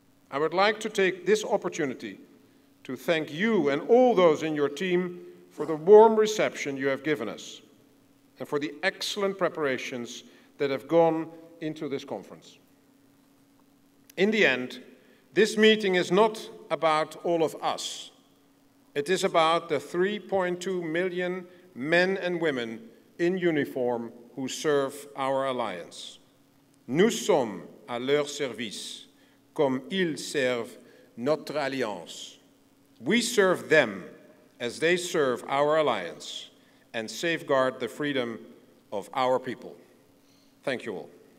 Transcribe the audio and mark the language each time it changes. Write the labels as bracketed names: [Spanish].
[English] I would like to take this opportunity to thank you and all those in your team for the warm reception you have given us and for the excellent preparations that have gone into this conference. In the end, this meeting is not about all of us. It is about the 3.2 million men and women in uniform who serve our alliance. [French] Nous sommes à leur service comme ils servent notre alliance. [English] We serve them as they serve our alliance and safeguard the freedom of our people. Thank you all.